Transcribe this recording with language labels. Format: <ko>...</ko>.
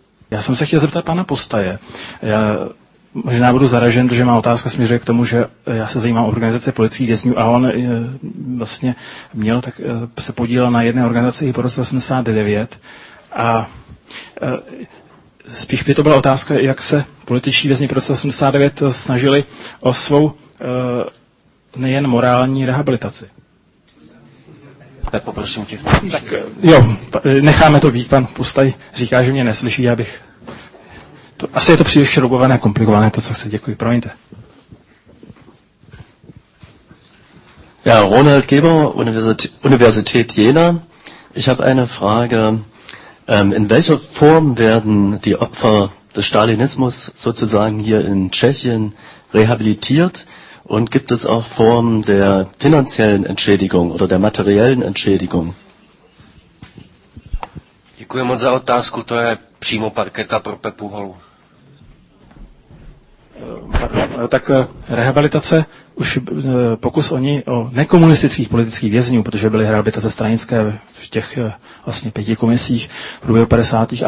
<cs>Já jsem se chtěl zeptat pana Postaje. Já možná budu zaražen, protože má otázka směřuje k tomu, že já se zajímám o organizaci politických vězňů a on vlastně měl tak se podílel na jedné organizaci i po roce 89 a spíš by to byla otázka, jak se političtí vězni po roce 89 snažili o svou nejen morální rehabilitaci. Tak poprosím tě. Tak jo, necháme to být, pan Pustaj říká, že mě neslyší, já bych... Asi je to příliš šroubované a komplikované, to, co chci. Děkuji. Promiňte.</cs> <de>Ja, Ronald Geber, Universität Jena. Ich habe eine Frage. In welcher Form werden die Opfer des Stalinismus sozusagen hier in Tschechien rehabilitiert? Und gibt es auch Formen der finanziellen Entschädigung oder der materiellen Entschädigung?</de> <cs>Děkuji moc za otázku. To je přímo parketa pro Pepu Holu. Tak rehabilitace, už pokus o ní, o nekomunistických politických vězňů, protože byly rehabilitace stranické v těch vlastně pěti komisích v průběhu 50.</cs>